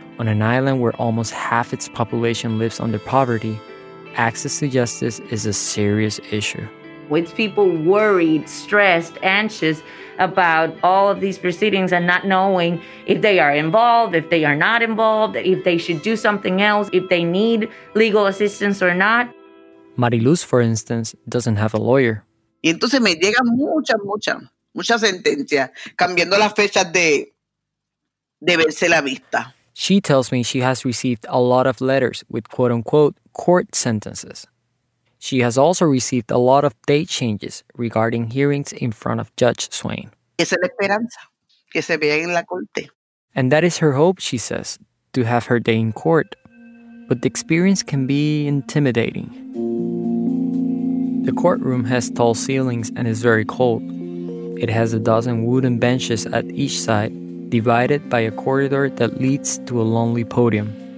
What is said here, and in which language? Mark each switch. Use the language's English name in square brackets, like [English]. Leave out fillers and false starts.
[English] On an island where almost half its population lives under poverty, access to justice is a serious issue. With people worried, stressed, anxious about all of these proceedings and not knowing if they are involved, if they are not involved, if they should do something else, if they need legal assistance or not. Mariluz, for instance, doesn't have a lawyer. [Spanish] Y entonces me llega mucha sentencia cambiando las fechas de verse la vista. [English] She tells me she has received a lot of letters with quote-unquote court sentences. She has also received a lot of date changes regarding hearings in front of Judge Swain. [Spanish] Esa es la esperanza, que se vea en la corte. [English] And that is her hope, she says, to have her day in court. But the experience can be intimidating. The courtroom has tall ceilings and is very cold. It has a dozen wooden benches at each side, divided by a corridor that leads to a lonely podium.